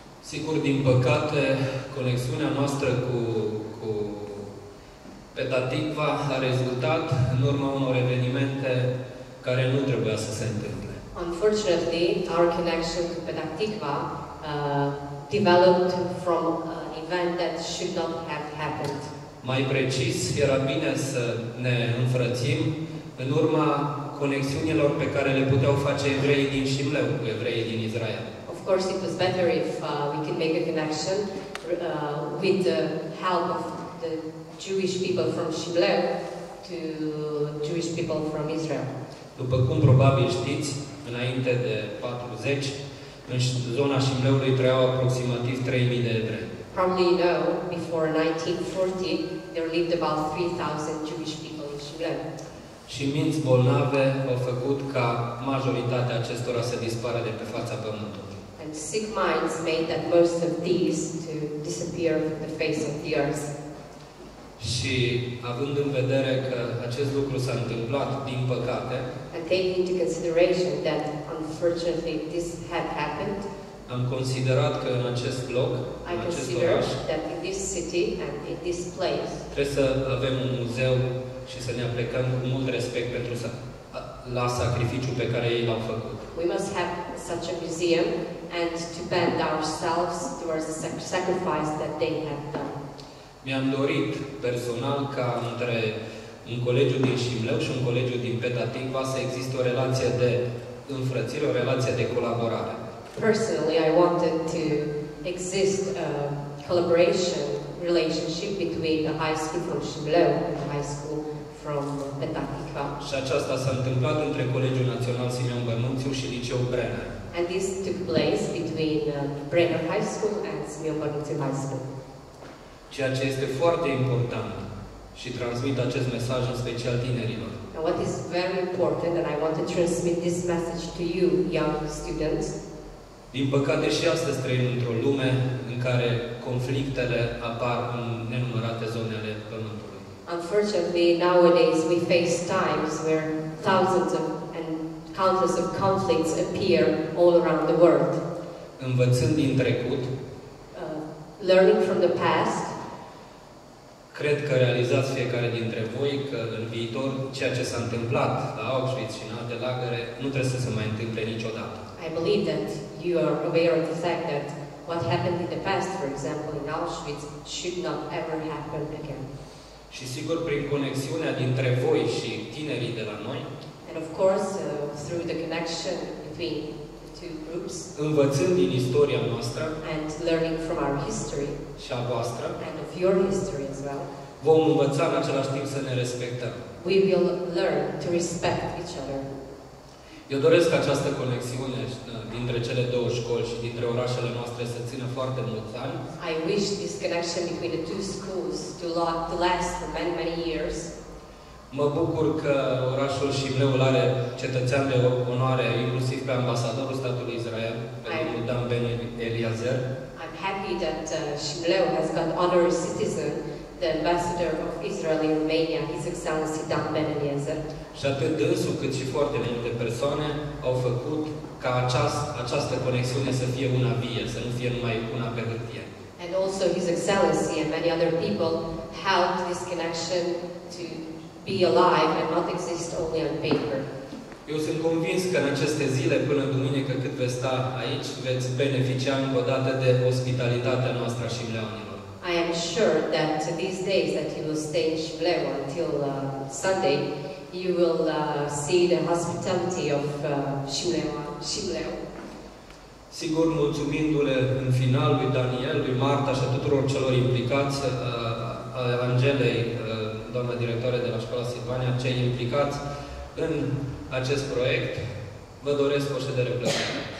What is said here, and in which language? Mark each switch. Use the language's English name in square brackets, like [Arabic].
[Romanian] Sigur, din păcate, conexiunea noastră cu Petatikva a rezultat în urma unor evenimente care nu trebuia să se întâmple. [English] Unfortunately, our connection to Petatikva developed from an event that should not have happened. [Romanian] Mai precis, era bine să ne înfrățim în urma conexiunilor pe care le puteau face evreii din Shimleu cu evreii din Israel. [English] Of course, it was better if we could make a connection with the help of the Jewish people from Shimleu to Jewish people from Israel. [Romanian] După cum probabil știți, înainte de 40, în zona Shimleului trăiau aproximativ 3000 de evrei. [English] Probably you know, before 1940, there lived about 3000 Jewish people in Shimleu. [Romanian] Și minți bolnave au făcut ca majoritatea acestora să dispară de pe fața pământului. [English] And sick minds made that most of these to disappear from the face of the earth. [Romanian] Și având în vedere că acest lucru s-a întâmplat din păcate, [English] and taking into consideration that unfortunately this had happened, [Romanian] am considerat că în acest loc, în acest oraș, [English] that in this city and in this place, [Romanian] trebuie să avem un muzeu și să ne aplecăm cu mult respect pentru la sacrificiul pe care ei l-au făcut. [English] We must have such a museum and to bend ourselves towards the sacrifice that they have done. [Romanian] Mi-am dorit personal ca între un colegiu din Shimleu și un colegiu din Petatikva să existe o relație de înfrățire, o relație de colaborare. [English] Personally, I wanted to exist a collaboration relationship between the high school from Shimleu and the high school from Petatikva. [Romanian] Și aceasta s-a întâmplat între Colegiul Național Simeon Bănunțiu și Liceul Brenner. [English] And this took place between Brenner High School and Simeon Bănunțiu High School. [Romanian] Ceea ce este foarte important și transmit acest mesaj în special tinerilor. [English] Now what is very important and I want to transmit this message to you, young students. [Romanian] Din păcate și astăzi trăim într-o lume în care conflictele apar în nenumărate zone ale pământului. [English] Unfortunately, nowadays we face times where thousands of and countless of conflicts appear all around the world. [Romanian] Învățând din trecut, [English] learning from the past, [Romanian] cred că realizați fiecare dintre voi că în viitor ceea ce s-a întâmplat la Auschwitz și în alte lagăre nu trebuie să se mai întâmple niciodată. [English] I believe that you are aware of the fact that what happened in the past, for example, in Auschwitz, should not ever happen again. [Romanian] Și sigur prin conexiunea dintre voi și tinerii de la noi. [English] And of course, through the connection between the two groups. [Romanian] Învățând din istoria noastră. [English] And learning from our history. [Romanian] Și a voastră. [English] And of your history as well. [Romanian] Vom învăța în același timp să ne respectăm. [English] We will learn to respect each other. [Romanian] Eu doresc această conexiune dintre cele două școli și dintre orașele noastre să țină foarte mulți ani. [English] I wish this connection between the two schools to last for many, many years. [Romanian] Mă bucur că orașul Shimleul are cetățean de onoare, inclusiv pe ambasadorul statului Israel, pe domnul Dan Ben Eliezer. [English] I'm happy that Shimleu has got honorary citizen, the ambassador of Israel in Romania, His Excellency Dan Ben Eliezer. [Romanian] Și atât dânsul, cât și foarte multe persoane au făcut ca această conexiune să fie una vie, să nu fie numai una pe hârtie. [English] And also His Excellency and many other people helped this connection to be alive and not exist only on paper. [Romanian] Eu sunt convins că în aceste zile, până duminică, cât veți sta aici, veți beneficia încă o dată de ospitalitatea noastră și leonilor. [English] I am sure that these days that you will stay in Shimleu until Sunday, you will see the hospitality of Shimleu. [Romanian] Sigur, mulțumindu-le în final lui Daniel, lui Marta și a tuturor celor implicați, Angelei, doamna directoare de la Școala Silvania, cei implicați în acest proiect, vă doresc o ședere plăcută.